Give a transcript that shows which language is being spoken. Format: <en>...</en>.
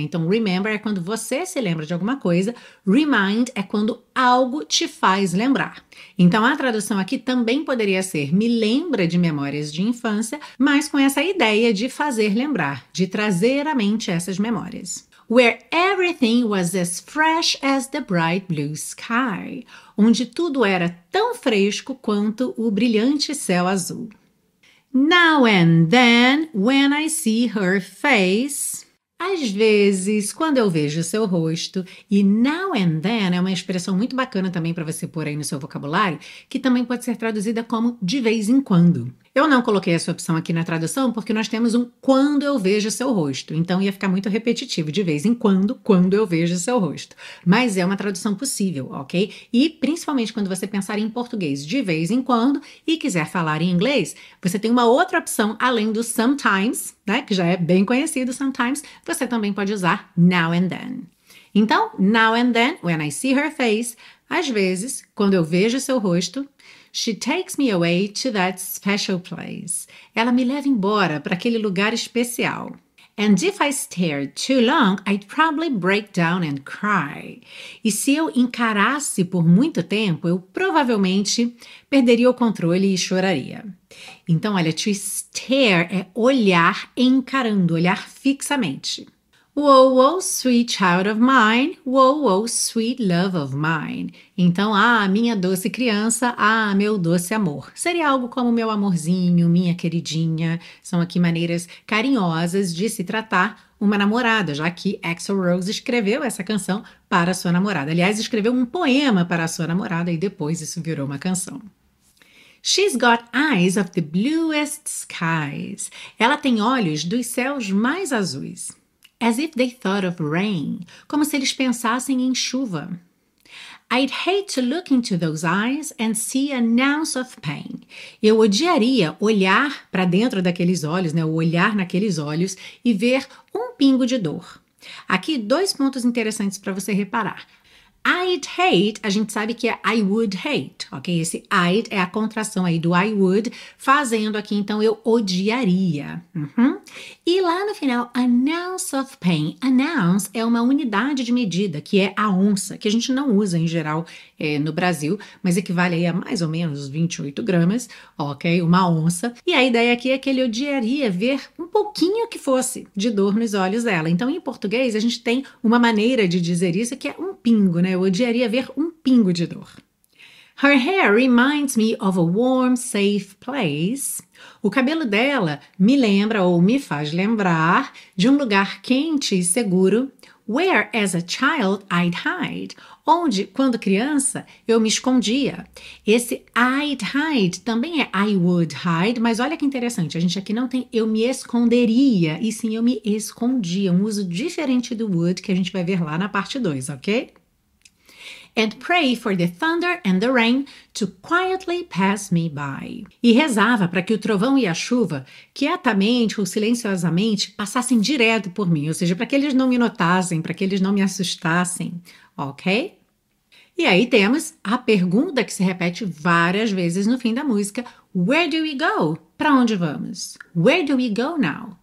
<pt>Então, remember é quando você se lembra de alguma coisa. Remind é quando algo te faz lembrar. Então, a tradução aqui também poderia ser me lembra de memórias de infância, mas com essa ideia de fazer lembrar, de trazer à mente essas memórias.</pt> <en>Where everything was as fresh as the bright blue sky.</en> <pt>Onde tudo era tão fresco quanto o brilhante céu azul.</pt> <en>Now and then, when I see her face.</en> <pt>Às vezes, quando eu vejo o seu rosto. E</pt> <en>now and then</en> <pt>é uma expressão muito bacana também para você pôr aí no seu vocabulário, que também pode ser traduzida como de vez em quando. Eu não coloquei essa opção aqui na tradução porque nós temos um quando eu vejo o seu rosto. Então, ia ficar muito repetitivo, de vez em quando eu vejo o seu rosto. Mas é uma tradução possível, ok? E principalmente quando você pensar em português de vez em quando e quiser falar em inglês, você tem uma outra opção além do sometimes, né? Que já é bem conhecido, sometimes. Você também pode usar</pt> <en>now and then. Então, now and then, when I see her face,</en> <pt>às vezes, quando eu vejo o seu rosto,</pt> <en>she takes me away to that special place.</en> <pt>Ela me leva embora para aquele lugar especial.</pt> <en>And if I stared too long, I'd probably break down and cry.</en> <pt>E se eu encarasse por muito tempo, eu provavelmente perderia o controle e choraria. Então, olha, to stare é olhar encarando, olhar fixamente.</pt> <en>Whoa, whoa, sweet child of mine. Whoa, whoa, sweet love of mine.</en> <pt>Então, ah, minha doce criança, ah, meu doce amor. Seria algo como meu amorzinho, minha queridinha. São aqui maneiras carinhosas de se tratar uma namorada, já que Axl Rose escreveu essa canção para sua namorada. Aliás, escreveu um poema para sua namorada e depois isso virou uma canção.</pt> <en>She's got eyes of the bluest skies.</en> <pt>Ela tem olhos dos céus mais azuis.</pt> <en>As if they thought of rain.</en> <pt>Como se eles pensassem em chuva.</pt> <en>I'd hate to look into those eyes and see an ounce of pain.</en> <pt>Eu odiaria olhar para dentro daqueles olhos, né? Ou olhar naqueles olhos e ver um pingo de dor. Aqui, dois pontos interessantes para você reparar. I'd hate, a gente sabe que é</pt> <en>I would hate,</en> <pt>ok? Esse I'd é a contração aí do I would, fazendo aqui, então, eu odiaria. Uhum. E lá no final,</pt> <en>an ounce of pain.</en> <pt>An ounce é uma unidade de medida, que é a onça, que a gente não usa em geral no Brasil, mas equivale aí a mais ou menos 28 gramas, ok? Uma onça. E a ideia aqui é que ele odiaria ver um pouquinho que fosse de dor nos olhos dela. Então, em português, a gente tem uma maneira de dizer isso, que é um pingo. Né? Eu odiaria ver um pingo de dor.</pt> <en>Her hair reminds me of a warm, safe place.</en> <pt>O cabelo dela me lembra ou me faz lembrar de um lugar quente e seguro.</pt> <en>Where, as a child, I'd hide.</en> <pt>Onde, quando criança, eu me escondia. Esse I'd hide também é</pt> <en>I would hide,</en> <pt>mas olha que interessante, a gente aqui não tem eu me esconderia, e sim eu me escondia, um uso diferente do would que a gente vai ver lá na parte 2, ok?</pt> <en>And pray for the thunder and the rain to quietly pass me by.</en> <pt>E rezava para que o trovão e a chuva, quietamente ou silenciosamente, passassem direto por mim. Ou seja, para que eles não me notassem, para que eles não me assustassem. Ok? E aí temos a pergunta que se repete várias vezes no fim da música.</pt> <en>Where do we go?</en> <pt>Para onde vamos?</pt> <en>Where do we go now?</en>